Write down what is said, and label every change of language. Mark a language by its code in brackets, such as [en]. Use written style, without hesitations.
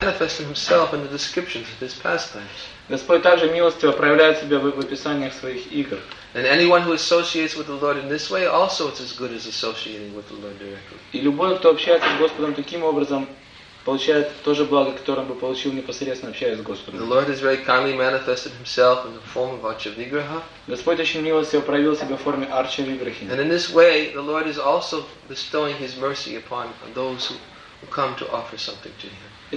[en] Manifesting himself in the descriptions of his pastimes. [ru] Господь также милостиво проявляет себя в описаниях своих игр. [en] And anyone who associates with the Lord in this way also is as good as associating with the Lord directly. [ru] И любой, кто общается с Господом таким образом, получает то же благо, которое он бы получил непосредственно общаясь с Господом. [en] The Lord has very kindly manifested himself in the form of Archivigraha. [ru] Господь очень милостиво проявил себя в форме Арчавиграхи. [en] And in this way, the Lord is also bestowing his mercy upon those who come to offer something to him.